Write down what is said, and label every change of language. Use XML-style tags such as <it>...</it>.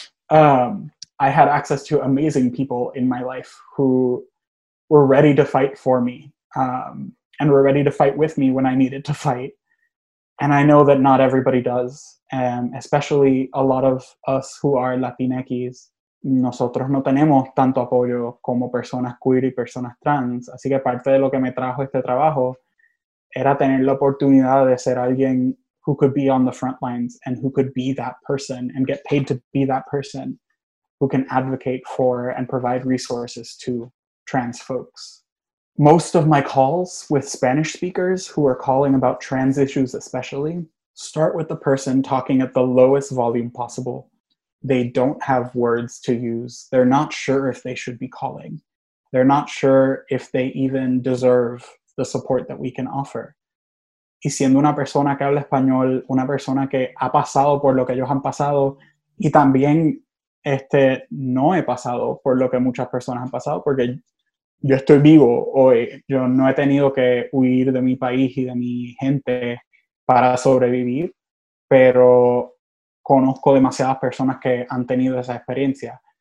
<en>I had access to amazing people in my life who were ready to fight for me, and were ready to fight with me when I needed to fight. And I know that not everybody does, especially a lot of us who are Latinx.</en> <es>Nosotros no tenemos tanto apoyo como personas queer y personas trans. Así que parte de lo que me trajo este trabajo era tener la oportunidad de ser alguien</es> <en>who could be on the front lines and who could be that person and get paid to be that person who can advocate for and provide resources to trans folks. Most of my calls with Spanish speakers who are calling about trans issues especially start with the person talking at the lowest volume possible. They don't have words to use. They're not sure if they should be calling. They're not sure if they even deserve the support that we can offer.</en> <es>Y siendo una persona que habla español, una persona que ha pasado por lo que ellos han pasado, y también no he pasado por lo que muchas personas han pasado, porque yo estoy vivo hoy. Yo no he tenido que huir de mi país y de mi gente para sobrevivir, pero conozco demasiadas personas que han tenido esa experiencia.</es>